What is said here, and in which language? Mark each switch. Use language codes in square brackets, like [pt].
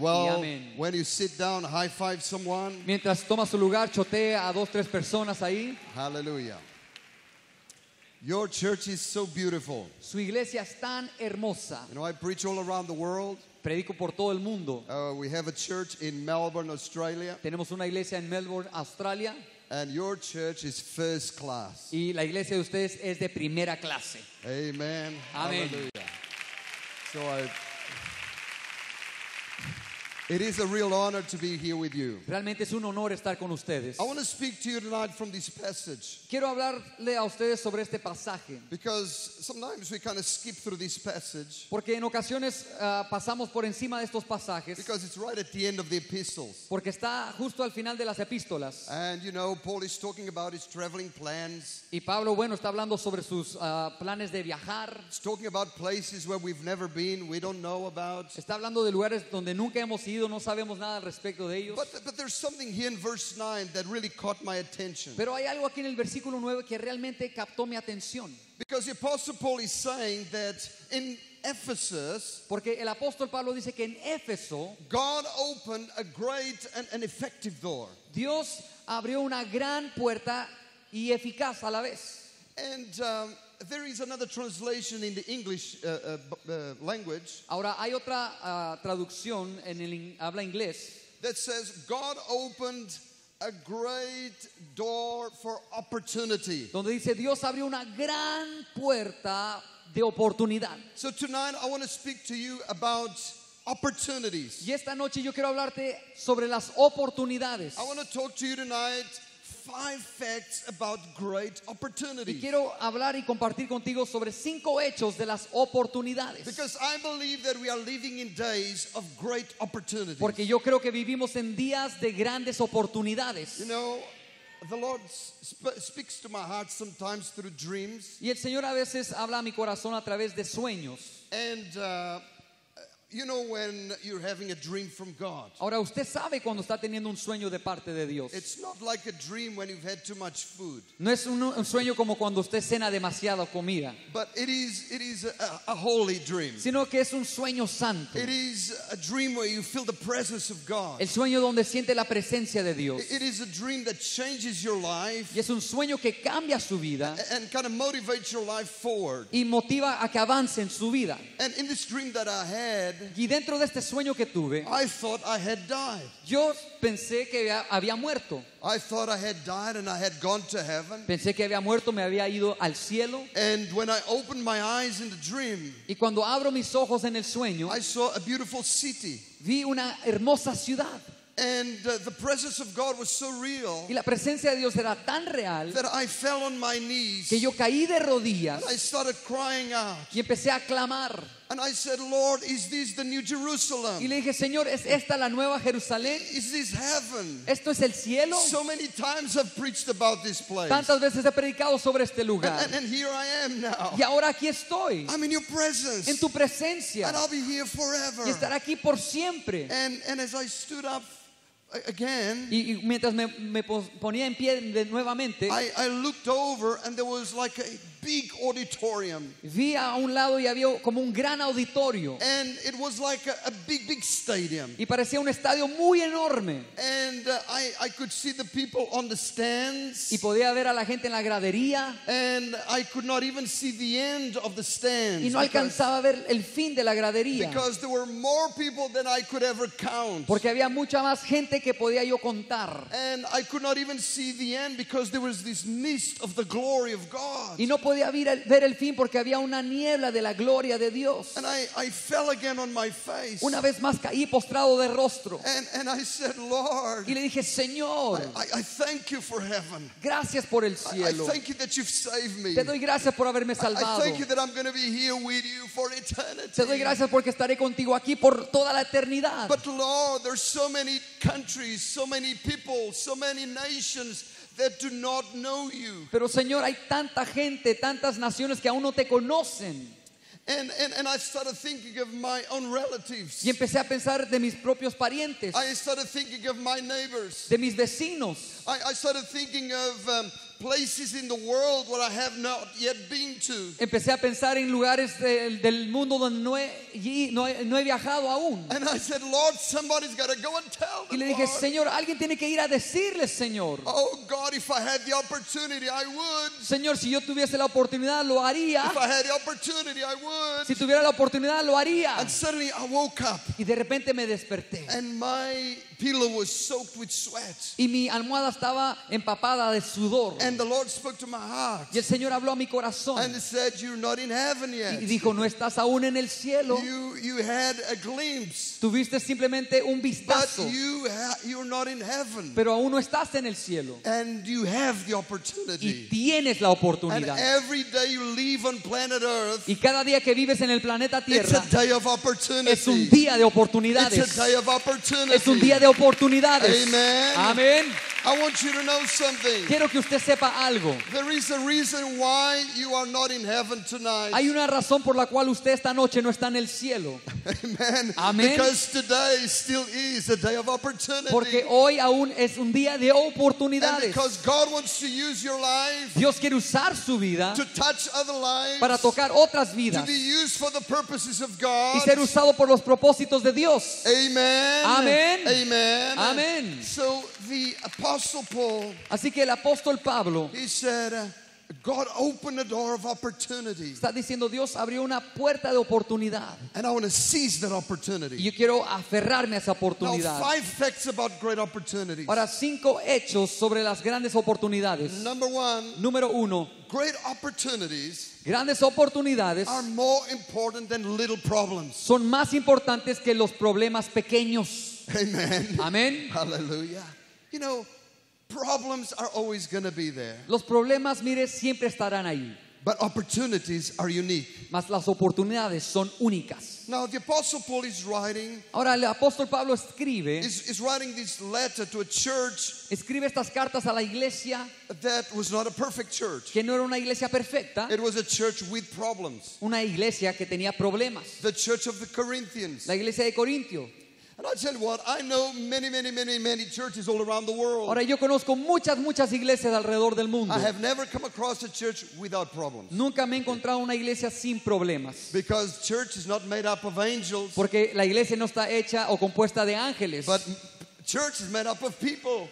[en] Well, when you sit down, high five someone. [es] Mientras toma su lugar, chotea a dos, tres personas ahí. [en] Hallelujah. Your church is so beautiful. [es] Su iglesia es tan hermosa. [en] You know, I preach all around the world. [es] Predico por todo el mundo. [en] We have a church in Melbourne, Australia. [es] Tenemos una iglesia en Melbourne, Australia. [en] And your church is first class. [es] Y la iglesia de ustedes es de primera clase. [en] Amen. [es] Amen. [en] Hallelujah. So it is a real honor to be here with you. [es] Realmente es un honor estar con ustedes. [en] I want to speak to you tonight from this passage. [es] Quiero hablarle a ustedes sobre este pasaje. [en] Because sometimes we kind of skip through this passage. [es] Porque en ocasiones pasamos por encima de estos pasajes. [en] Because it's right at the end of the epistles. [es] Porque está justo al final de las epístolas. [en] And you know, Paul is talking about his traveling plans. [es] Y Pablo, bueno, está hablando sobre sus planes de viajar. [en] He's talking about places where we've never been, we don't know about. [es] Está hablando de lugares donde nunca hemos no sabemos nada al respecto de ellos. [en] But there's something here in verse 9 that really caught my attention. [es] Pero hay algo aquí en el versículo 9 que realmente captó mi atención. [en] Because the apostle Paul is saying that in Ephesus, [es] porque el apóstol Pablo dice que en Éfeso, [en] God opened a great and an effective door. [es] Dios abrió una gran puerta y eficaz a la vez. [en] And there is another translation in the English language. [es] Ahora hay otra traducción en el habla inglés [en] that says God opened a great door for opportunity. [es] Donde dice Dios abrió una gran puerta de oportunidad. [en] So tonight I want to speak to you about opportunities. [es] Y esta noche yo quiero hablarte sobre las oportunidades. [en] I want to talk to you tonight. Five facts about great opportunities. [es] Y quiero hablar y compartir contigo sobre cinco hechos de las oportunidades. [en] Because I believe that we are living in days of great opportunities. [es] Porque yo creo que vivimos en días de grandes oportunidades. [en] You know, the Lord speaks to my heart sometimes through dreams. [es] Y el Señor a veces habla a mi corazón a través de sueños. [en] And You know when you're having a dream from God. [es] Ahora usted sabe cuando está teniendo un sueño de parte de Dios. [en] It's not like a dream when you've had too much food. [es] No es un sueño como cuando usted cena demasiada comida. [en] But it is a holy dream. [es] Sino que es un sueño santo. [en] It is a dream where you feel the presence of God. [es] El sueño donde siente la presencia de Dios. [en] It is a dream that changes your life. [es] Y es un sueño que cambia su vida. [en] And kind of motivates your life forward. [es] Y motiva a que avance en su vida. [en] And in this dream that I had. [es] Y dentro de este sueño que tuve, [en] I thought I had died. [es] Yo pensé que había muerto. [en] I thought I had died and I had gone to heaven. [es] Pensé que había muerto, me había ido al cielo. [en] And when I opened my eyes in the dream, [es] y cuando abro mis ojos en el sueño, [en] I saw a beautiful city. [es] Vi una hermosa ciudad. [en] And the presence of God was so real, [es] y la presencia de Dios era tan real, [en] that I fell on my knees, [es] que yo caí de rodillas, [en] and I started crying out, [es] y empecé a clamar, [en] and I said, Lord, is this the new Jerusalem? [es] Y le dije, Señor, ¿es esta la nueva Jerusalén? [en] Is this heaven? [es] ¿Esto es el cielo? [en] So many times I've preached about this place. [es] Tantas veces he predicado sobre este lugar. [en] And here I am now. [es] Y ahora aquí estoy. [en] I'm in your presence. [es] En tu presencia. [en] And I'll be here forever. [es] Y estaré aquí por siempre. [en] And as I stood up again, [es] y mientras me ponía en pie de nuevamente, [en] I looked over and there was like a big auditorium. [es] Vi a un lado y había como un gran auditorio. [en] And it was like a big stadium. [es] Y parecía un estadio muy enorme. [en] And I could see the people on the stands. [es] Y podía ver a la gente en la gradería. [en] And I could not even see the end of the stands. [es] Y no alcanzaba a ver el fin de la gradería. [en] Because there were more people than I could ever count. [es] Porque había mucha más gente que podía yo contar. [en] And I could not even see the end because there was this mist of the glory of God. [es] Y no podía ver el fin porque había una niebla de la gloria de Dios. [en] And I fell again on my face. [es] Una vez más caí postrado de rostro. [en] And I said, Lord, [es] y le dije, Señor, [en] I thank you for heaven. [es] Gracias por el cielo. [en] I thank you that you've saved me. [es] Te doy gracias por haberme salvado. [en] I thank you that I'm going to be here with you for eternity. [es] Te doy gracias porque estaré contigo aquí por toda la eternidad. [en] But Lord, there's so many countries, so many people, so many nations that do not know you. [es] Pero Señor, hay tanta gente, tantas naciones que aún no te conocen. [en] And I started thinking of my own relatives. [es] Y empecé a pensar de mis propios parientes. [en] I started thinking of my neighbors. [es] De mis vecinos. [en] I started thinking of places in the world where I have not yet been to. [es] Empecé a pensar en lugares del mundo donde no he viajado aún. [en] And I said, Lord, somebody's got to go and tell them. [es] Y le dije, Señor, alguien tiene que ir a decirles, Señor. [en] Oh God, if I had the opportunity, I would. [es] Señor, si yo tuviese la oportunidad, lo haría. [en] If I had the opportunity, I would. [es] Si tuviera la oportunidad, lo haría. [en] And suddenly I woke up. [es] Y de repente me desperté. [en] And my pillow was soaked with sweat. [es] Y mi almohada estaba empapada de sudor. [en] And the Lord spoke to my heart. [es] Y el Señor habló a mi corazón. [en] And said, "You're not in heaven yet." [es] Y dijo, "No estás aún en el cielo." [en] You had a glimpse. [es] Tuviste simplemente un vistazo. [en] But you're not in heaven. [es] Pero aún no estás en el cielo. [en] And you have the opportunity. [es] Y tienes la oportunidad. [en] And every day you live on planet Earth. [es] Y cada día que vives en el planeta Tierra. [en] It's a day of opportunity. [es] Es un día de oportunidades. [en] It's a day of opportunity. [es] Es un día de oportunidades. [en] Amen. [es] Amén. [en] I want you to know something. [es] Quiero que usted sepa algo. [en] There is a reason why you are not in heaven tonight. [es] Hay una razón por la cual usted esta noche no está en el cielo. [en] Amen. [es] Amen. [en] Because today still is a day of opportunity. [es] Porque hoy aún es un día de oportunidades. [en] And because God wants to use your life. [es] Dios quiere usar su vida. [en] To touch other lives. [es] Para tocar otras vidas. [en] To be used for the purposes of God. [es] Y ser usado por los propósitos de Dios. [en] Amen. [es] Amen. [en] Amen. [es] Amen. [en] So the Apostle Paul. [es] Así que el apóstol Pablo. [en] He said, God opened a door of opportunity. [es] Está diciendo Dios abrió una puerta de oportunidad. [en] And I want to seize that opportunity. [es] Y yo quiero aferrarme a esa oportunidad. [en] Now, 5 facts about great opportunities. [es] Ahora 5 hechos sobre las grandes oportunidades. [en] Number one. [es] Número uno. [en] Great opportunities. [es] Grandes oportunidades. [en] Are more important than little problems. [es] Son más importantes que los problemas pequeños. [en] Amen. [es] Amen. [en] Hallelujah. You know, problems are always going to be there. [es] Los problemas, mire, siempre estarán ahí. [en] But opportunities are unique. [es] Mas las oportunidades son únicas. [en] Now the apostle Paul is writing. [es] Ahora el apóstol Pablo escribe. [en] Is writing this letter to a church. [es] Escribe estas cartas a la iglesia. [en] That was not a perfect church. [es] Que no era una iglesia perfecta. [en] It was a church with problems. [es] Una iglesia que tenía problemas. [en] The church of the Corinthians. [es] La iglesia de Corintio. [en] And I tell you what, I know many, many, many, many churches all around the world. [es] Ahora yo conozco muchas, muchas iglesias alrededor del mundo. [en] I have never come across a church without problems. [es] Nunca me he encontrado una iglesia sin problemas. [en] Because church is not made up of angels. [es] Porque la iglesia no está hecha o compuesta de ángeles. [en] But church is made up of people.